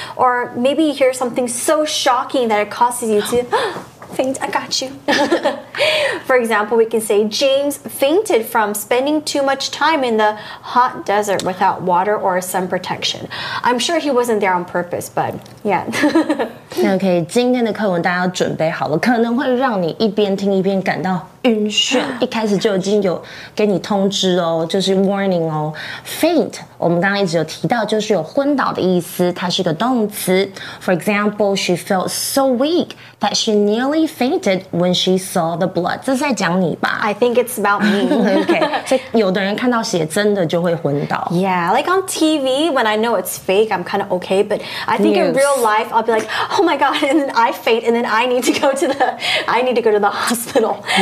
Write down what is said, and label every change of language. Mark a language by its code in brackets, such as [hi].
[en] Or maybe you hear something so shocking that it causes you to faint. I got you. For example, we can say James fainted from spending too much time in the hot desert without water or sun protection. I'm sure he wasn't there on purpose, but yeah. [zh] Okay, 今天的课文大家准备好了，可能会让你一边听一边感到晕眩。一开始就已经有给你通知哦，就是 warning 哦。 Faint， 我们刚刚一直有提到，就是有昏倒的意思，它是个动词。 [en] For example, she felt so weak that she nearly fainted when she saw the blood. [zh] 这是在讲你吧 [en] ？I think it's about me. [zh] Okay， 所以有的人看到血真的就会昏倒。 [en] Yeah, like on TV when I know it's fake, I'm kind of okay. But I think in real life, I'll be like, oh my god, and then I faint, and then I need to go to the hospital.